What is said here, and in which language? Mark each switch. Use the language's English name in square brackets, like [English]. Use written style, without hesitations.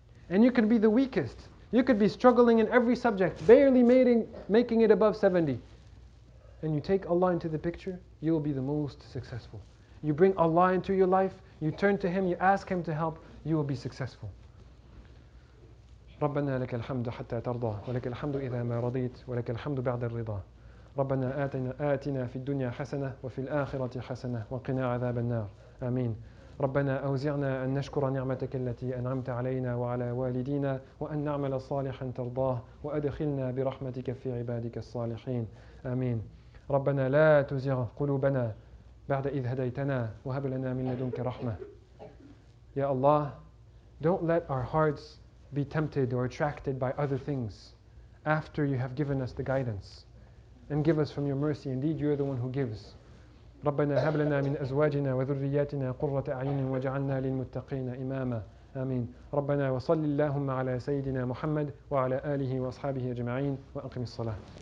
[English] And you can be the weakest. You could be struggling in every subject, barely making it above 70. And you take Allah into the picture, you will be the most successful. You bring Allah into your life, you turn to Him, you ask Him to help, you will be successful. [Arabic] ربنا لك الحمد حتى ترضى ولك الحمد إذا ما رضيت ولك الحمد بعد الرضا ربنا آتنا في الدنيا حسنة وفي الآخرة حسنة وقنا عذاب النار آمين. ربنا أوزعنا أن نشكر نعمتك التي أنعمت علينا وعلى والدينا وأن نعمل صالحا ترضاه وأدخلنا برحمتك في عبادك الصالحين آمين. ربنا لا تزغ قلوبنا بعد إذ هديتنا وهب لنا من لدنك رحمة. [English] يا الله, don't let our hearts be tempted or attracted by other things after you have given us the guidance. And give us from your mercy. Indeed, you are the one who gives. [Arabic] ربنا هب لنا من أزواجنا وذرياتنا قرة أعين واجعلنا للمتقين إماما. آمين. ربنا وصل اللهم على سيدنا محمد وعلى آله وأصحابه أجمعين وأقم الصلاة.